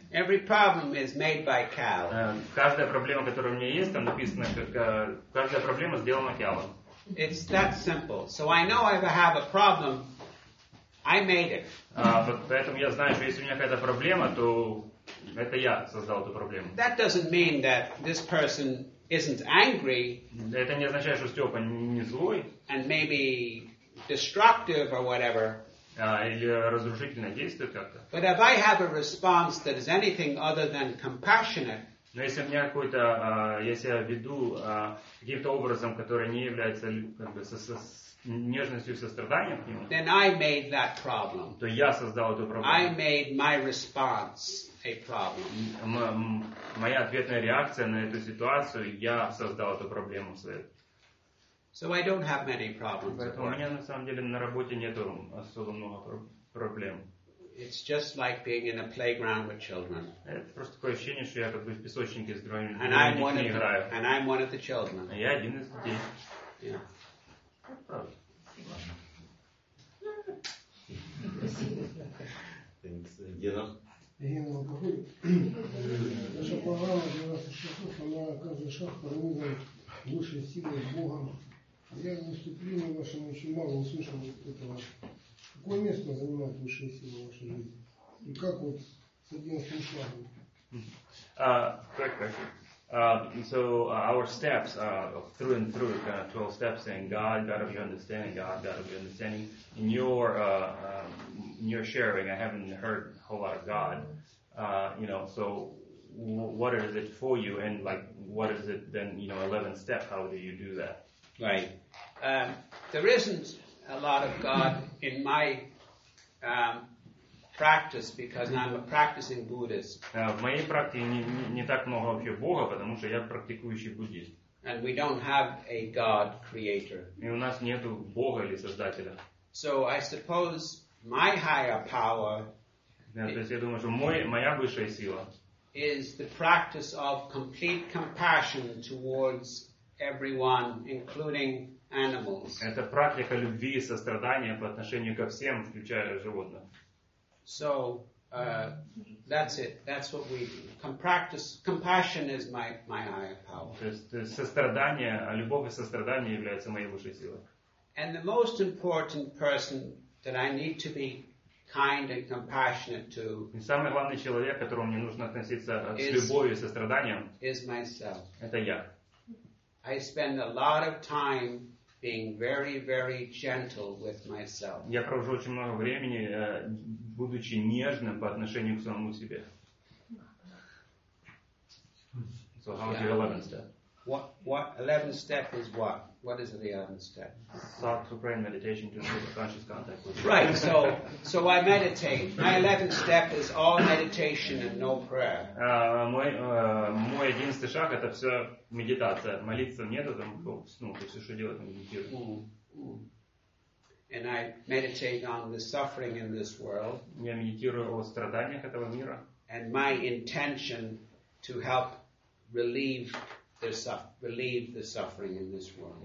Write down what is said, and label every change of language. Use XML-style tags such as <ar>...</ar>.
<en>Every problem is made by cow.</en> <ru>Каждая проблема, которая у меня есть, там написано, как каждая проблема сделана кялом.</ru> <en>It's that simple. So I know if I have a problem, I made it.</en> <ru>Поэтому я знаю, что если у меня какая-то проблема, то это я создал эту проблему.</ru> <en>That doesn't mean that this person isn't angry.</en> <ru>Это не означает, что Степа не злой.</ru> <en>And maybe destructive or whatever.</en> <ru>Или разрушительно действует как-то.</ru> <en>But if I have a response that is anything other than compassionate.</en> <ru>Но если у меня какой-то, я себя веду каким-то образом, который не является как бы со нежностью и состраданием к нему.</ru> <en>Then I made that problem.</en> <ru>То я создал эту проблему.</ru> <en>I made my response. Problem.</en> <ru>Моя ответная реакция на эту ситуацию, я создал эту проблему в своей.</ru> <en>So I don't have many problems.</en> <ru>У меня на самом деле на работе нету особо много проблем.</ru> <en>It's just like being in a playground with children.</en> <ru>Это просто такое ощущение, что я как бы в песочнике с другими детьми играю.</ru> <en>And I'm one of the children.</en> <ru>А я один из детей.</ru> <en>Yeah. Thanks. Yeah.</en> <ru>Наша программа 12 шагов, она каждый шаг пронизана высшей силой Бога. Я не вступил на вашем, очень мало услышал вот этого. Какое место занимает высшая сила в вашей жизни? И как вот с 11 шагом?</ru> <en>So our steps through and through, kind of 12 steps, saying God, God of your understanding, God, God of your understanding. In your sharing, I haven't heard a whole lot of God. What is it for you? And like, what is it then? You know, 11th step. How do you do that? Right. There isn't a lot of God in my practice because I'm a practicing Buddhist.</en> <ru>В моей практике не так много вообще Бога, потому что я практикующий буддист.</ru> <en>And we don't have a God creator.</en> <ru>И у нас нету Бога или создателя.</ru> <en>So I suppose my higher power.</en> <ru>То есть я думаю, что моя высшая сила.</ru> <en>Is the practice of complete compassion towards everyone, including animals.</en> <ru>Это практика любви и сострадания по отношению ко всем, включая животных.</ru> <en>So that's it. That's what we do. Compassion is my higher power.</en> <ru>То есть сострадание, любовь и сострадание является моей высшей силой.</ru> <en>And the most important person that I need to be kind and compassionate to.</en> <ru>И самый главный человек, к которому мне нужно относиться с любовью и состраданием.</ru> <en>Is myself.</en> <ru>Это я.</ru> <en>I spend a lot of time being very, very gentle with myself.</en> <ru>Я провожу очень много времени, будучи нежным по отношению к самому себе.</ru> <en>So how's your 11th step? What 11th step is what? What is the 11th step? Start to pray in meditation to improve conscious contact with you. Right, so I meditate. My 11th step is all meditation and no prayer.</en> <ru>Мой 11th шаг это все медитация. Молиться нету, там, ну, то все, что делать, медитирую.</ru> <en>And I meditate on the suffering in this world.</en> <ru>Я медитирую о страданиях этого мира.</ru> <en>And my intention to help relieve relieve the suffering in this world.</en>